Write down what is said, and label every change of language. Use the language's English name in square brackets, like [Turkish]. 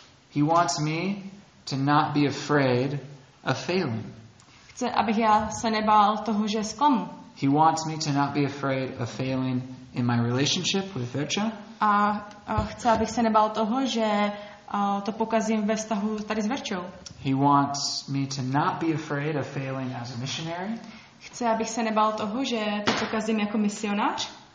[English] He wants me to not be afraid of failing. [Czech] Chce, abych já se nebál toho, že zklamu. [English] He wants me to not be afraid of failing in my relationship with Verča. [Czech] A chce, abych se nebál toho, že to pokazím ve vztahu tady s Verčou. [English] He wants me to not be afraid of failing as a missionary. [Czech] Chce, abych se nebál toho, že to pokazím jako misionář.